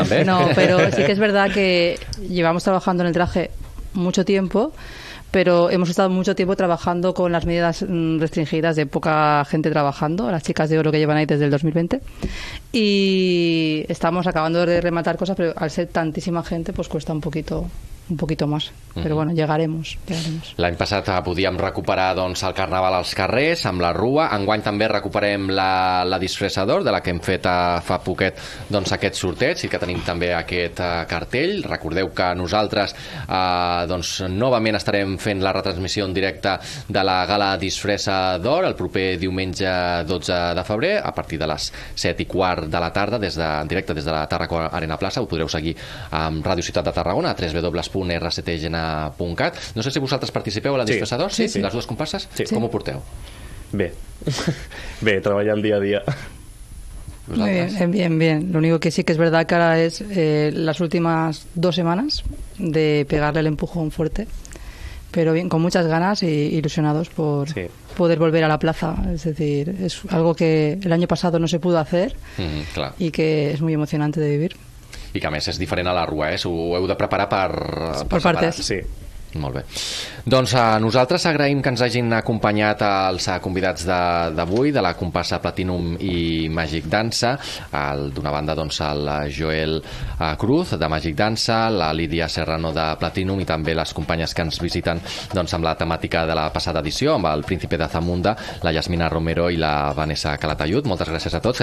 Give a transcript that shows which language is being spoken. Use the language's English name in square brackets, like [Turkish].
[Spanish] No, pero sí que es verdad que llevamos trabajando en el traje mucho tiempo, pero hemos estado mucho tiempo trabajando con las medidas restringidas de poca gente trabajando, las chicas de oro que llevan ahí desde el 2020, y estamos acabando de rematar cosas, pero al ser tantísima gente pues cuesta un poquito más, mm-hmm. Pero bueno, llegaremos. [Catalan] L'any passat podíem recuperar doncs el carnaval als carrers amb la rua. Enguany també recuperem la disfressa d'or, de la que hem fet fa poquet doncs aquest sorteig, i que tenim també aquest cartell. Recordeu que nosaltres doncs novament estarem fent la retransmissió en directe de la gala disfressa d'or el proper diumenge 12 de febrer a partir de les 7:15 de la tarda, en directe des de la Tarraco Arena Plaça. Ho podreu seguir amb Ràdio Ciutat de Tarragona a www.rctgna.cat. No sé si vosaltres participeu a la disfressa d'or, sí, les dues comparses. Sí. Com ho porteu? Bé. Bé, treballant dia a dia. [Spanish] Muy bien, bien, bien. Lo único que sí que es verdad que ahora es las últimas dos semanas de pegarle el empujón fuerte, pero bien, con muchas ganas e ilusionados por poder volver a la plaza. Es decir, es algo que el año pasado no se pudo hacer, claro. Y que es muy emocionante de vivir. [Catalan] I que a més és diferent a la rua, eh? Ho heu de preparar per [Spanish] partes. Sí. [Catalan] Molt bé. Doncs nosaltres agraïm que ens hagin acompanyat els convidats d'avui, de la comparsa Platinum i Magic Dansa. D'una banda, doncs, el Joel Cruz, de Magic Dansa, la Lídia Serrano, de Platinum, i també les companyes que ens visiten doncs amb la temàtica de la passada edició, amb el Príncipe de Zamunda, la Yasmina Romero i la Vanessa Calatayud. Moltes gràcies a tots.